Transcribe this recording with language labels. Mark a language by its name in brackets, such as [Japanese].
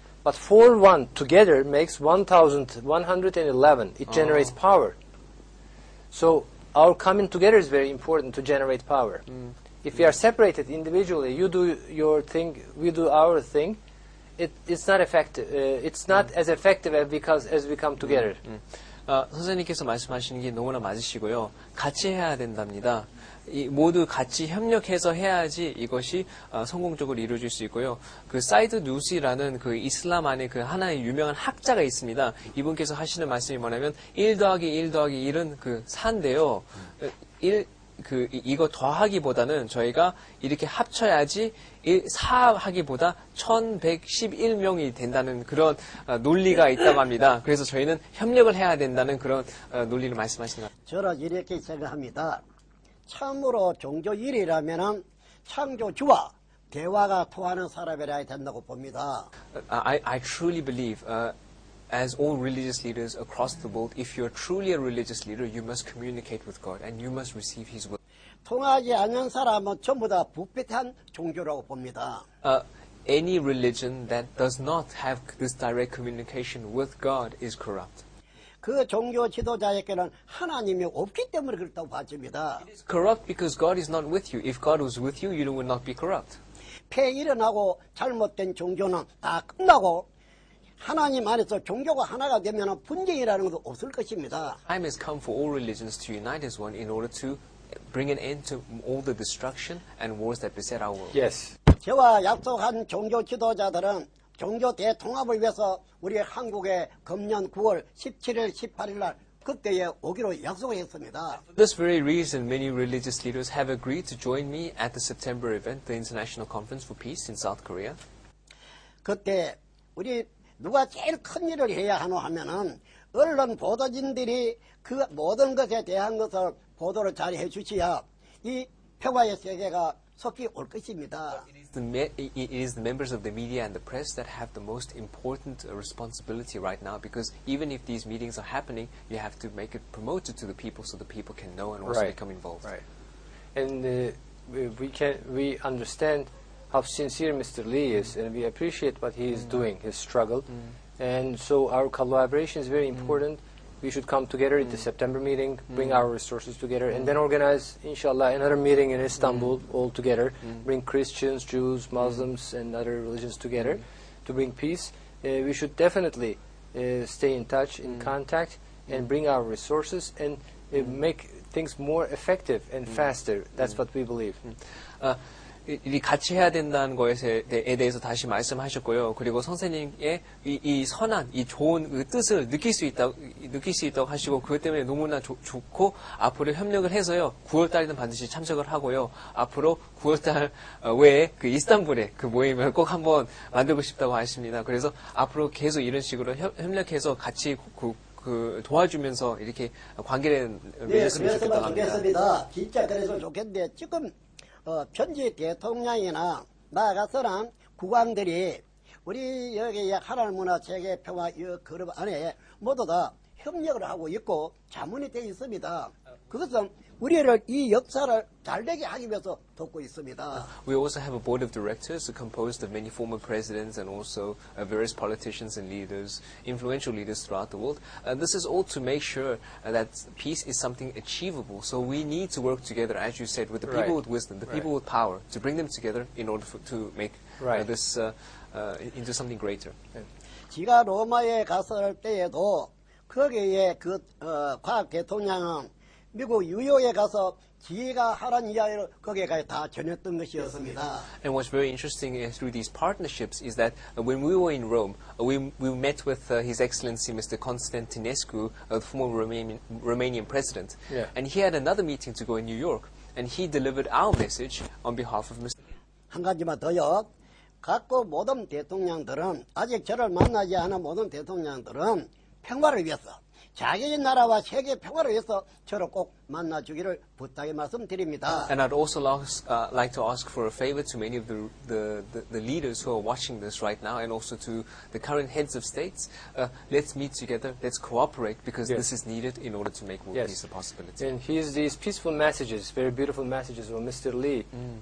[English] But 4-1 together makes 1,111. It generates power. So our coming together is very important to generate power. Mm. If we are separated individually, you do your thing, we do our thing, it's not effective. It's not as effective as we come together. Mm. Mm. [Korean] 선생님께서 말씀하시는 게 너무나 맞으시고요. 같이 해야 된답니다. 이 모두 같이 협력해서 해야지 이것이 성공적으로 이루어질 수 있고요. 그 사이드 누시라는 그 이슬람 안에 그 하나의 유명한 학자가 있습니다. 이분께서 하시는 말씀이 뭐냐면 1 더하기 1 더하기 1은 그 4인데요. 1 그 이거 더하기보다는 저희가 이렇게 합쳐야지 4하기보다 1111명이 된다는 그런 논리가 있다고 합니다. 그래서 저희는 협력을 해야 된다는 그런 논리를 말씀하시는 것 같습니다. 저는 이렇게 생각합니다. 참으로 종교 일이라면 창조주와 대화가 통하는 사람이라 해야 된다고 봅니다. [English] I truly believe as all religious leaders across the world, if you're truly a religious leader, you must communicate with God and you must receive His will. [Korean] 통하지 않는 사람은 전부 다 부패한 종교라고 봅니다. [English] Any religion that does not have this direct communication with God is corrupt. [Korean] 그 종교 지도자에게는 하나님이 없기 때문에 그렇다고 봐집니다. [English] It is corrupt because God is not with you. If God was with you, you would not be corrupt. [Korean] 폐 일어나고 잘못된 종교는 다 끝나고 하나님 안에서 종교가 하나가 되면 분쟁이라는 것도 없을 것입니다. [English] Time has come for all religions to unite as one in order to bring an end to all the destruction and wars that beset our world. Yes. [Korean] 제가 약속한 종교 지도자들은 종교 대통합을 위해서 우리 한국에 금년 9월 17일, 18일 날 그때에 오기로 약속을 했습니다. [English] For this very reason, many religious leaders have agreed to join me at the September event, the International Conference for Peace in South Korea. [Korean] 그때 우리 누가 제일 큰 일을 해야 하노 하면은 언론 보도진들이 그 모든 것에 대한 것을 보도를 잘 해주셔야 이 평화의 세계가 속히 올 것입니다. [English] It is the members of the media and the press that have the most important responsibility right now because even if these meetings are happening, you have to make it promoted to the people so the people can know and also right. become involved. Right. And we understand how sincere Mr. Lee is, and we appreciate what he is doing, his struggle. Mm. And so our collaboration is very important. We should come together at the September meeting, bring our resources together, and then organize, inshallah, another meeting in Istanbul all together, bring Christians, Jews, Muslims, and other religions together to bring peace. We should definitely stay in touch, in contact, and bring our resources, and make things more effective and faster. That's what we believe. [Korean] 이 같이 해야 된다는 것에 대해서 다시 말씀하셨고요. 그리고 선생님의 이 선한, 이 좋은 그 뜻을 느낄 수 있다고 하시고 그것 때문에 너무나 좋고 앞으로 협력을 해서요. 9월달에는 반드시 참석을 하고요. 앞으로 9월달 외에 그 이스탄불에 그 모임을 꼭 한번 만들고 싶다고 하십니다. 그래서 앞으로 계속 이런 식으로 협력해서 같이 그 도와주면서 이렇게 관계를 맺었으면 좋겠다고 합니다. 네, 좋겠습니다. 진짜 그래서 좋겠는데 지금 현지 대통령이나 나아가서는 국왕들이 우리 여기 하나의 문화 세계 평화 그룹 안에 모두 다 협력을 하고 있고 자문이 되어 있습니다. 그것은 우리를 이 역사를 잘되게 하기 위해서 돕고 있습니다. [English] We also have a board of directors composed of many former presidents and also various politicians and leaders, influential leaders throughout the world. This is all to make sure that peace is something achievable. So we need to work together, as you said, with the people with wisdom, the people with power, to bring them together in order to make this into something greater. [Korean] 제가 로마에 갔을 때에도 거기에 그 과학 대통령은 미국 뉴욕에 가서 지혜가 하란 이야기를 거기에 가서 다 전했던 것이었습니다. [English] And what's very interesting through these partnerships is that when we were in Rome, we met with His Excellency Mr. Constantinescu, the former Romanian president. Yeah. And he had another meeting to go in New York. and he delivered our message on behalf of Mr. [Korean] 한 가지만 더요. 갖고 모든 대통령들은 아직 저를 만나지 않은 모든 대통령들은 평화를 위해서 자기 나라와 세계 평화를 위해서 저를 꼭 만나 주기를 부탁의 말씀드립니다. [English] And I'd also like to ask for a favor to many of the leaders who are watching this right now and also to the current heads of states. Let's meet together. Let's cooperate because yes. this is needed in order to make world yes. peace a possibility. And here's these peaceful messages, very beautiful messages from Mr. Lee. Mm.